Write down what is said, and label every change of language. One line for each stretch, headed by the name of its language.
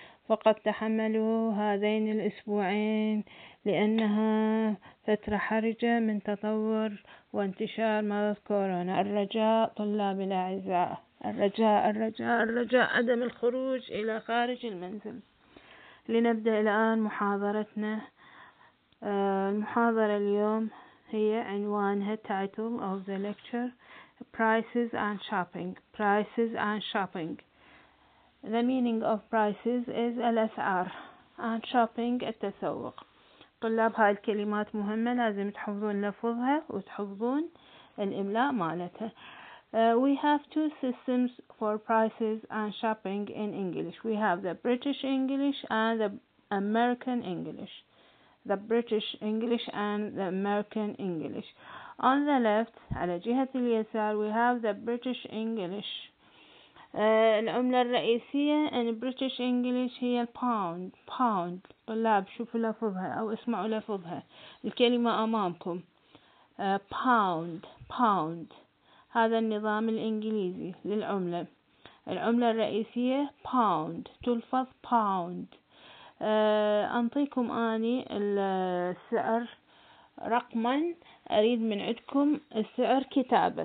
Arabic: فقد تحملوا هذين الأسبوعين لأنها فترة حرجة من تطور وانتشار مرض كورونا. الرجاء طلابي الأعزاء، الرجاء الرجاء الرجاء عدم الخروج إلى خارج المنزل. لنبدأ الآن محاضرتنا. المحاضرة اليوم هي عنوانها
English: title of the lecture prices and shopping. Prices and shopping. The meaning of prices is
Arabic: الأسعار
English: and shopping
Arabic: التسوق. طلاب هاي الكلمات مهمة، لازم تحفظون لفظها وتحفظون الإملاء مالتها.
English: We have two systems for prices and shopping in English. We have the British English and the American English. The British English and the American English. On the left،
Arabic: على جهة اليسار،
English: we have the British English.
Arabic: العملة الرئيسية
English: in British English هي pound. Pound.
Arabic: طلاب شوفوا لفظها أو اسمعوا لفظها، الكلمة أمامكم.
English: Pound. Pound.
Arabic: هذا النظام الإنجليزي للعملة. العملة الرئيسية pound. تلفظ pound. أنطيكم آني السعر رقما، أريد من عندكم السعر كتابة.